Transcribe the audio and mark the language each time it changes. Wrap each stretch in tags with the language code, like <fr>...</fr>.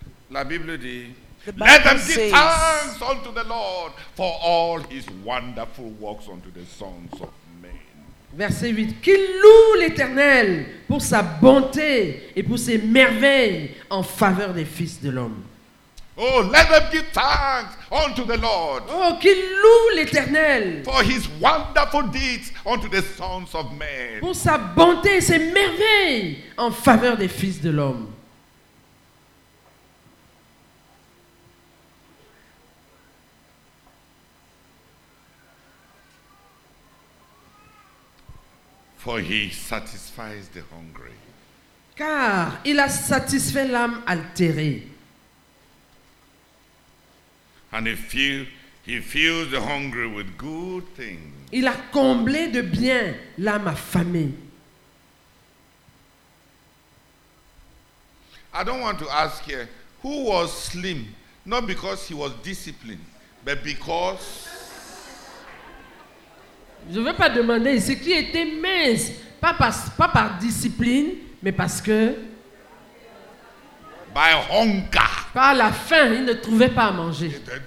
<fr>La Bible dit,</fr> <en>let them give thanks unto the Lord for all his wonderful works unto the sons of.</en> <fr>Verset 8. Qu'il loue l'Éternel pour sa bonté et pour ses merveilles en faveur des fils de l'homme.</fr> <en>Oh, let them give thanks unto the Lord.</en> <fr>Oh, qu'il loue l'Éternel</fr> <en>for his wonderful deeds unto the sons of men.</en> <fr>Pour sa bonté et ses merveilles en faveur des fils de l'homme.</fr> <en>For he satisfies the hungry.</en> <fr>Car il a satisfait l'âme altérée.</fr> <en>And he fills the hungry with good things.</en> <fr>Il a comblé de bien l'âme affamée.</fr> <en>I don't want to ask here who was slim, not because he was disciplined, but because.</en> <fr>Je ne veux pas demander ce qui était mince, pas par discipline, mais parce que</fr> <en>By hunger.</en> <fr>Par la faim, il ne trouvait pas à manger.</fr>